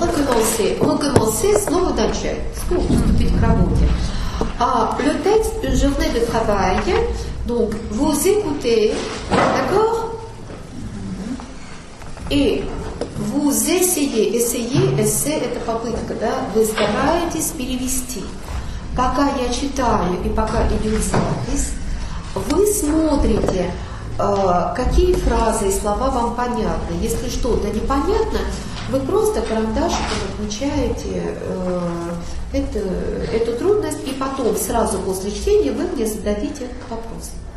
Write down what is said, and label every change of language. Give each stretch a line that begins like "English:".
Russian: лекции, он как бы все снова начал, снова приступить к работе.
French: А le texte d'une journée de travail, donc vous écoutez, d'accord? Et vous essayez, essai
Russian: это попытка, да? Вы стараетесь перевести. Пока я читаю и пока идет запись, вы смотрите, какие фразы и слова вам понятны. Если что-то непонятно, вы просто карандашиком отмечаете эту трудность, и потом, сразу после чтения, вы мне зададите вопрос.